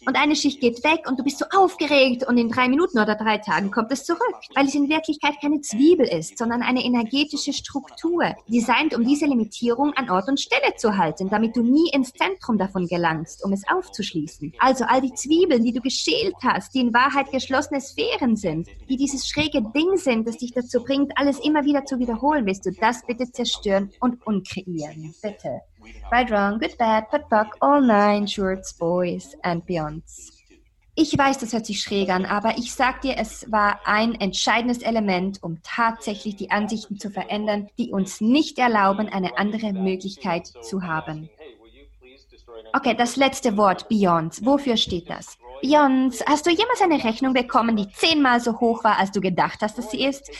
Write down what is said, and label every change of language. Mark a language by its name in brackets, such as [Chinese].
[German] Und eine Schicht geht weg und du bist so aufgeregt und in 3 Minuten oder 3 Tagen kommt es zurück, weil es in Wirklichkeit keine Zwiebel ist, sondern eine energetische Struktur, designt, um diese Limitierung an Ort und Stelle zu halten, damit du nie ins Zentrum davon gelangst, um es aufzuschließen. Also all die Zwiebeln, die du geschält hast, die in Wahrheit geschlossene Sphären sind, die dieses schräge Ding sind, das dich dazu bringt, alles immer wieder zu wiederholen, willst du das bitte zerstören und unkreieren, bitte. [English] Right, wrong, good, bad, but fuck, all 9 shorts, boys and beyonds. [German] Ich weiß, das hört sich schräg an, aber ich sag dir, es war ein entscheidendes Element, um tatsächlich die Ansichten zu verändern, die uns nicht erlauben, eine andere Möglichkeit zu haben. Okay, das letzte Wort, Beyond. Wofür steht das? Beyond, hast du jemals eine Rechnung bekommen, die 10-mal so hoch war, als du gedacht hast, dass sie ist?